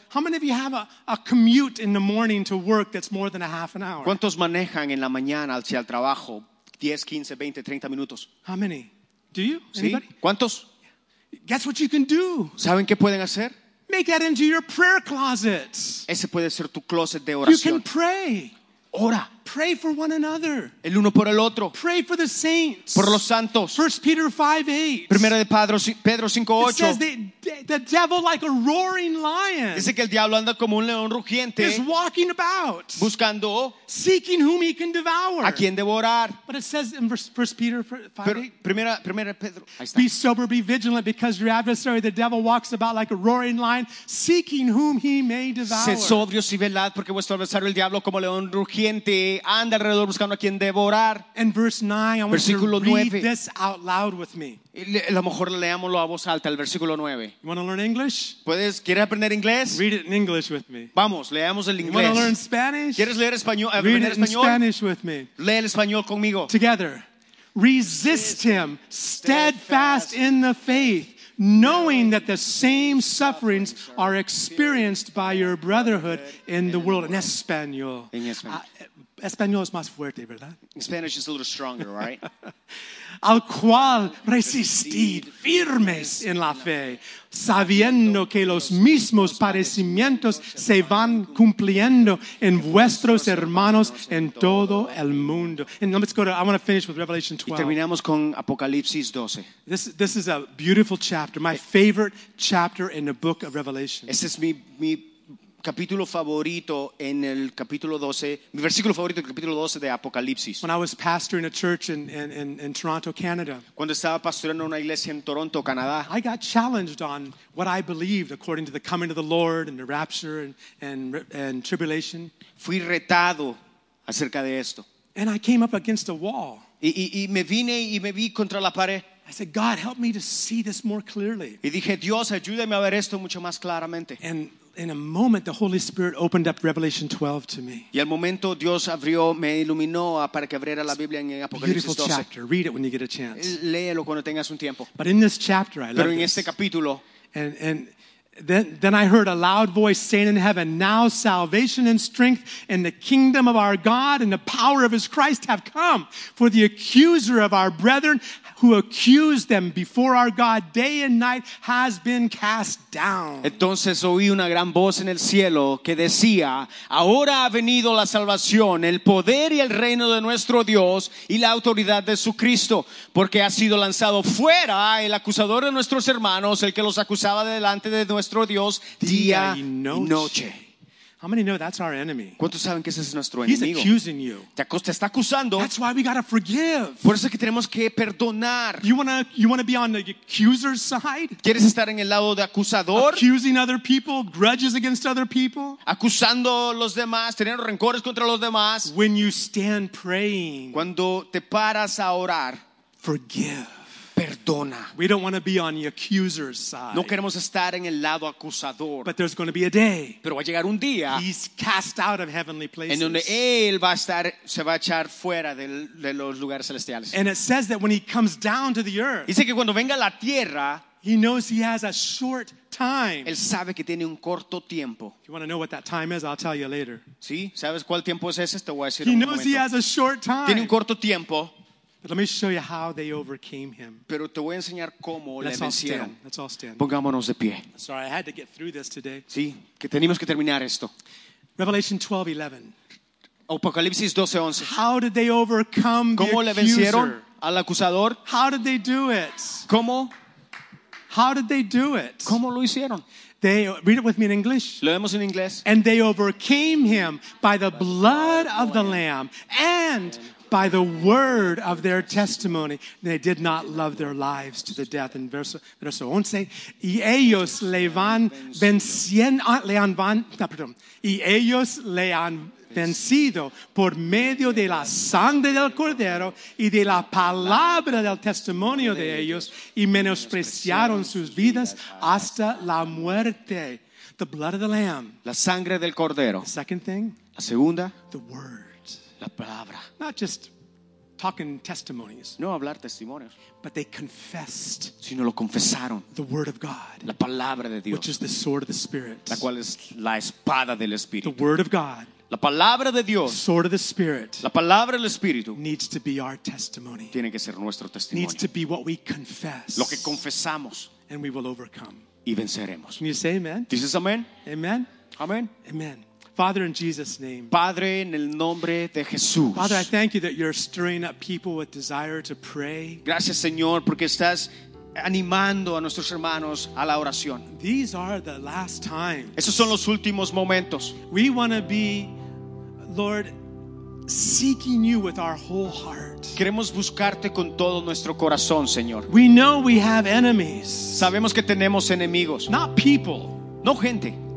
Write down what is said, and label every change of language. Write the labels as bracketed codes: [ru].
[en] How many of you have a commute in the morning to work that's more than a half an hour? [es] ¿Cuántos manejan en la mañana hacia el trabajo? 10, 15, 20, 30 minutos. [en] How many? Do you? [es] ¿Sí? [en] Anybody? [es] ¿Cuántos? [en] Guess what you can do. [es] ¿Saben qué pueden hacer? [en] Make that into your prayer closet. [es] Ese puede ser tu closet de oración. [en] You can pray. [es] Ora. [en] Pray for one another. [es] El uno por el otro. [en] Pray for the saints. [es] Por los santos. [en] 1 Peter 5:8. [es] Primera de Pedro 5:8. [en] It says the devil like a roaring lion. [es] Dice que el diablo anda como un león rugiente. [en] Is walking about. [es] Buscando. [en] Seeking whom he can devour. [es] A quien devorar. [en] But it says in 1 Peter 5:8. [es] Primera Pedro. [en] Be sober, be vigilant, because your adversary, the devil, walks about like a roaring lion, seeking whom he may devour. [es] Sed sobrios y velad, porque vuestro adversario, el diablo, como león rugiente. Anda alrededor buscando a quien devorar. [en] And verse 9, I want [es] versículo [en] you to [es] 9. [en] Read this out loud with me. [es] A lo mejor leámoslo a voz alta, el versículo 9. [en] You want to learn English? [es] ¿Puedes, quieres aprender inglés? [en] Read it in English with me. [es] Vamos, leamos el inglés. [en] You want to learn Spanish? [es] ¿Quieres leer español? [en] Read [es] aprender [en] it [es] español? [en] In Spanish with me. [es] Lee el español conmigo. [en] Together. Resist him, steadfast in the faith, knowing that the same sufferings are experienced by your brotherhood in the world. In Espanol. In Espanol. [es] Español es más fuerte, ¿verdad? [en] Spanish is a little stronger, right? [es] Al cual resistid firmes en la fe, sabiendo que los mismos padecimientos se van cumpliendo en vuestros hermanos en todo el mundo. [en] And let's go to, I want to finish with Revelation 12. [es] Y terminamos con Apocalipsis 12. [en] This is a beautiful chapter, my favorite chapter in the book of Revelation. [es] Este es mi capítulo favorito en el capítulo 12, mi versículo favorito en el capítulo 12 de Apocalipsis. [en] When I was pastoring a church in Toronto, Canada. [es] Cuando estaba pastoreando una iglesia en Toronto, Canadá. [en] I got challenged on what I believed according to the coming of the Lord and the rapture and tribulation. [es] Fui retado a acerca de esto. [en] And I came up against a wall. [es] Y me vine y me vi contra la pared. [en] I said, God, help me to see this more clearly. [es] Y dije, Dios, ayúdame a ver esto mucho más claramente. [en] And in a moment, the Holy Spirit opened up Revelation 12 to me. [es] Y al momento Dios abrió, me iluminó para que abriera la Biblia en Apocalipsis 12. [en] Beautiful chapter. Read it when you get a chance. [es] Léelo cuando tengas un tiempo. [en] But in this chapter, I love [es] this. Pero en este capítulo. [en] And then I heard a loud voice saying in heaven, now salvation and strength and the kingdom of our God and the power of his Christ have come. For the accuser of our brethren who accused them before our God day and night has been cast down. [es] Entonces oí una gran voz en el cielo que decía, ahora ha venido la salvación, el poder y el reino de nuestro Dios y la autoridad de su Cristo. Porque ha sido lanzado fuera el acusador de nuestros hermanos, el que los acusaba delante de nuestro Dios día y noche. [en] How many know that's our enemy? [es] ¿Cuántos saben que ese es nuestro [en] He's [es] enemigo? [en] Accusing you. [es] Te está acusando. [en] That's why we gotta forgive. [es] Por eso es que tenemos que perdonar. [en] You wanna be on the accuser's side? [es] ¿Quieres estar en el lado de acusador? [en] Accusing other people, grudges against other people. [es] Acusando los demás, teniendo rencores contra los demás. [en] When you stand praying. [es] Cuando te paras a orar. [en] Forgive. [es] Perdona. [en] We don't want to be on the accuser's side. [es] No queremos estar en el lado acusador. [en] But there's going to be a day. [es] Pero va a llegar un día. [en] He's cast out of heavenly places. [es] En donde él va a estar, se va a echar fuera de los lugares celestiales. [en] And it says that when he comes down to the earth. [es] Dice que cuando venga a la tierra. [en] He knows he has a short time. [es] Él sabe que tiene un corto tiempo. [en] If you want to know what that time is, I'll tell you later. [es] Sí, sabes cuál tiempo es ese, te voy a decir un momento. [en] He knows he has a short time. [es] Tiene un corto tiempo. [en] But let me show you how they overcame him. [es] Pero te voy a enseñar cómo le vencieron. [en] Let's all stand. [es] Pongámonos de pie. [en] Sorry, I had to get through this today. [es] Sí, que teníamos que terminar esto. [en] Revelation 12:11. [es] Apocalipsis 12:11. [en] How did they overcome [es] ¿Cómo [en] the [es] le vencieron [en] accuser? [es] Al acusador? [en] How did they do it? [es] ¿Cómo? [en] How did they do it? [es] ¿Cómo lo hicieron? [en] They read it with me in English. [es] Leemos en inglés. [en] And they overcame him by the blood of the Lamb and by the word of their testimony, they did not love their lives to the death. In verse 11, [es] y ellos le han vencido por medio de la sangre del cordero y de la palabra del testimonio de ellos y menospreciaron sus vidas hasta la muerte. [en] The blood of the lamb. [es] La sangre del cordero. [en] The second thing. [es] La segunda. [en] The word. [es] La palabra. [en] Not just talking testimonies. [es] No hablar testimonios. [en] But they confessed. [es] Sino lo confesaron. [en] The word of God. [es] La palabra de Dios. [en] Which is the sword of the Spirit. [es] La cual es la espada del Espíritu. [en] The word of God. [es] La palabra de Dios. [en] Sword of the Spirit. [es] La palabra del Espíritu. [en] Needs to be our testimony. [es] Tiene que ser nuestro testimonio. [en] Needs to be what we confess. [es] Lo que confesamos. [en] And we will overcome. [es] Y venceremos. [en] Can you say amen? [es] Dices amén. [en] Amen. [es] Amen. [en] Amen. Father, in Jesus' name. [es] Padre, en el nombre de Jesús. [en] Father, I thank you that you're stirring up people with desire to pray. [es] Gracias, Señor, porque estás animando a nuestros hermanos a la oración. [en] These are the last times. [es] Esos son los últimos momentos. [en] We want to be, Lord, seeking you with our whole heart. [es] Queremos buscarte con todo nuestro corazón, Señor. [en] We know we have enemies. [es] Sabemos que tenemos enemigos. [en] Not people. [es] No gente.